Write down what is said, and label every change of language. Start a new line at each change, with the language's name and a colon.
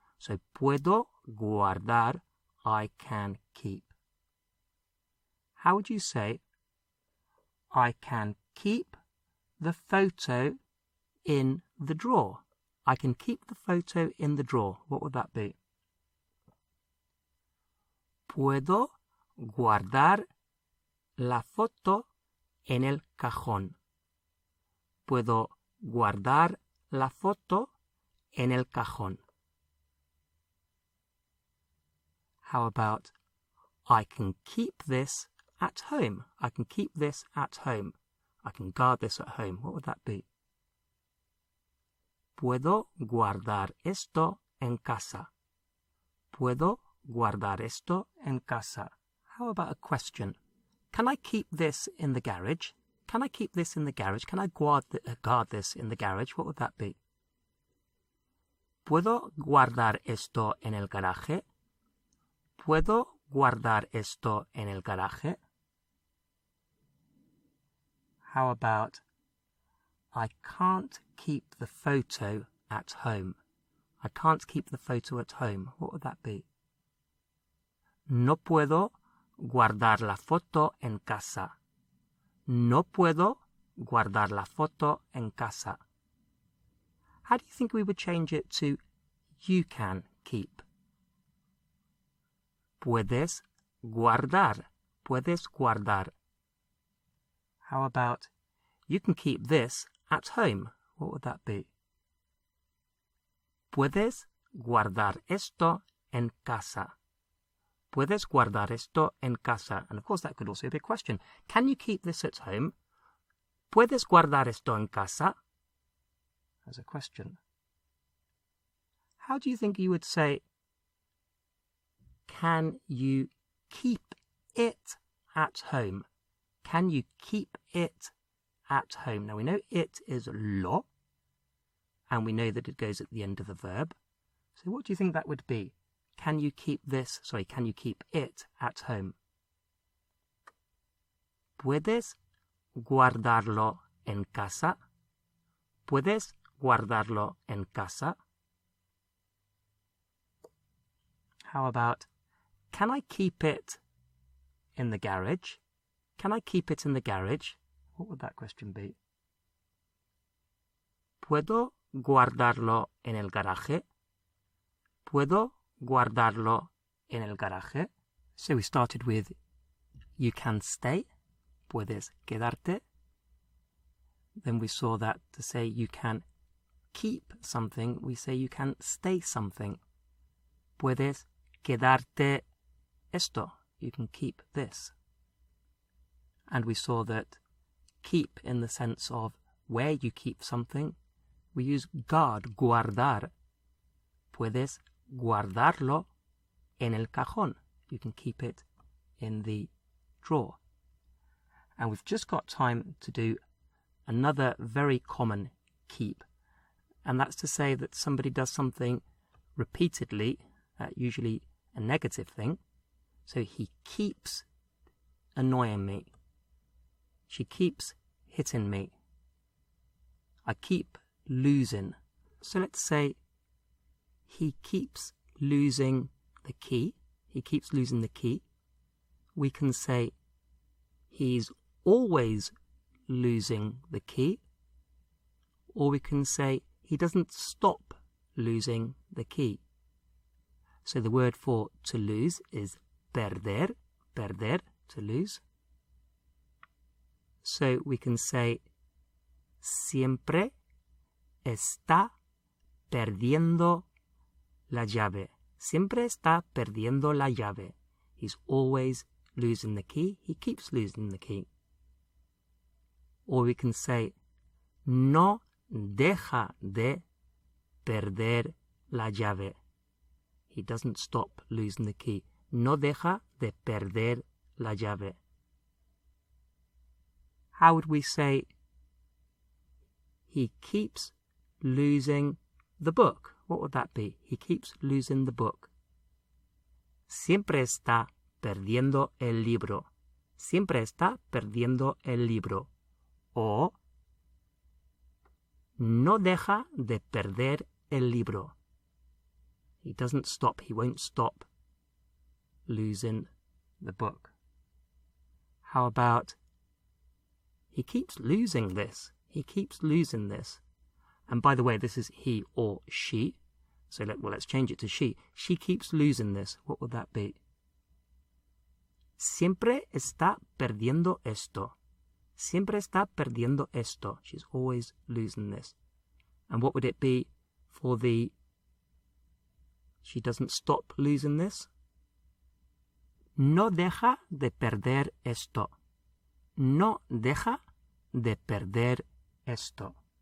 English: So,
Spanish: puedo guardar,
English: I can keep. How would you say, I can keep the photo in the drawer. I can keep the photo in the drawer. What would that be?
Spanish: Puedo guardar la foto en el cajón. Puedo guardar la foto en el cajón.
English: How about, I can keep this at home. I can keep this at home. I can guard this at home. What would that be?
Spanish: Puedo guardar esto en casa. Puedo guardar esto en casa.
English: How about a question? Can I keep this in the garage? Can I keep this in the garage? Can I guard this in the garage? What would that be?
Spanish: Puedo guardar esto en el garaje. Puedo guardar esto en el garaje.
English: How about, I can't keep the photo at home. I can't keep the photo at home. What would that be?
Spanish: No puedo guardar la foto en casa. No puedo guardar la foto en casa.
English: How do you think we would change it to you can keep?
Spanish: Puedes guardar. puedes guardar.
English: How about you can keep this at home? What would that be?
Spanish: Puedes guardar esto en casa. Puedes guardar esto en casa.
English: And of course, that could also be a question. Can you keep this at home?
Spanish: Puedes guardar esto en casa?
English: As a question. How do you think you would say, can you keep it at home? Can you keep it at home? Now, we know it is lo, and we know that it goes at the end of the verb. So what do you think that would be? Can you keep this, sorry, can you keep it at home?
Spanish: Puedes guardarlo en casa? Puedes guardarlo en casa?
English: How about, can I keep it in the garage? Can I keep it in the garage? What would that question be?
Spanish: Puedo guardarlo en el garaje? Puedo guardarlo en el garaje?
English: So we started with, you can stay.
Spanish: Puedes quedarte.
English: Then we saw that to say you can keep something, we say you can stay something.
Spanish: Puedes quedarte esto.
English: You can keep this. And we saw that keep in the sense of where you keep something, we use guard, guardar.
Spanish: Puedes guardarlo en el cajón.
English: You can keep it in the drawer. And we've just got time to do another very common keep. And that's to say that somebody does something repeatedly, usually a negative thing. So he keeps annoying me. She keeps hitting me. I keep losing. So let's say he keeps losing the key. He keeps losing the key. We can say he's always losing the key. Or we can say he doesn't stop losing the key. So the word for to lose is perder, perder, to lose. So we can say,
Spanish: siempre está perdiendo la llave. Siempre está perdiendo la llave.
English: He's always losing the key. He keeps losing the key. Or we can say,
Spanish: no deja de perder la llave.
English: He doesn't stop losing the key.
Spanish: No deja de perder la llave.
English: How would we say, he keeps losing the book? What would that be? He keeps losing the book.
Spanish: Siempre está perdiendo el libro. Siempre está perdiendo el libro. Or, no deja de perder el libro.
English: He doesn't stop, he won't stop losing the book. How about, he keeps losing this. He keeps losing this. And by the way, this is he or she. So let's change it to she. She keeps losing this. What would that be?
Spanish: Siempre está perdiendo esto. Siempre está perdiendo esto.
English: She's always losing this. And what would it be for the she doesn't stop losing this?
Spanish: No deja de perder esto. No deja de perder esto.